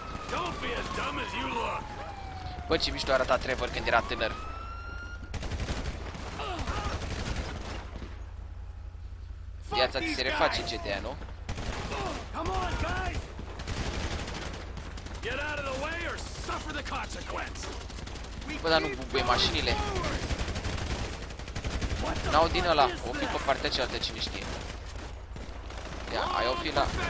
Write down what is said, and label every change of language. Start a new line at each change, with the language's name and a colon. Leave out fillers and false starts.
English: Don't be as dumb as you look.
Romanian: Bă, ce mișto arăta Trevor când era tânăr. Viața ți se reface, GTA, nu?
English: Come on, guys! Get out of the way or suffer the consequence.
Romanian: Bă, dar nu bubuie mașinile. N-au din ăla, o fi pe partea cealaltă, cine știe. Ia, ai o fi la...